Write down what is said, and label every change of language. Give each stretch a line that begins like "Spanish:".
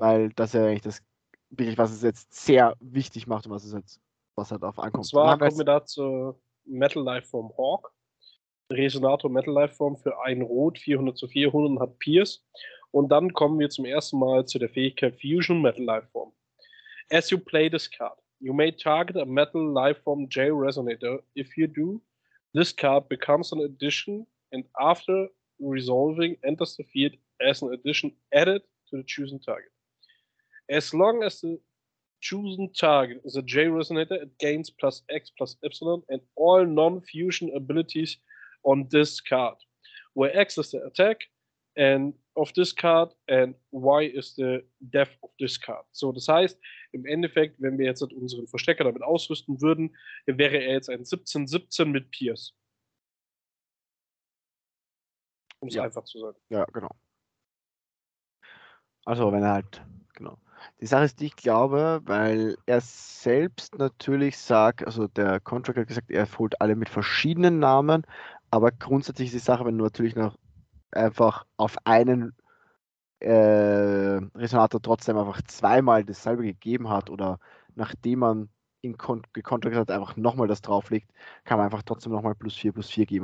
German: Weil das ja eigentlich das, wirklich, was es jetzt sehr wichtig macht und was es jetzt, was halt auf ankommt. Und zwar kommen wir dazu. Metal Lifeform Hawk. Resonator Metal Lifeform für ein Rot 400 zu 400 und hat Pierce. Und dann kommen wir zum ersten Mal zu der Fähigkeit Fusion Metal Lifeform.
English: As you play this card, you may target a Metal Lifeform J Resonator. If you do, this card becomes an addition and after resolving enters the field as an addition added to the chosen target. As long as the chosen target is a J Resonator, it gains plus X plus Epsilon and all non-fusion abilities on this card, where X is the attack and of this card and Y is the death of this card.
German: So, das heißt, im Endeffekt, wenn wir jetzt unseren Verstecker damit ausrüsten würden, wäre er jetzt ein 17-17 mit Pierce. Um es einfach zu sagen. Ja, genau. Also, wenn er halt, genau. Die Sache ist, die ich glaube, weil er selbst natürlich sagt, also der Contractor hat gesagt, er holt alle mit verschiedenen Namen, aber grundsätzlich ist die Sache, wenn du natürlich noch einfach auf einen Resonator trotzdem einfach zweimal dasselbe gegeben hat oder nachdem man ihn gecontractet hat, einfach nochmal das drauflegt, kann man einfach trotzdem nochmal plus 4 geben.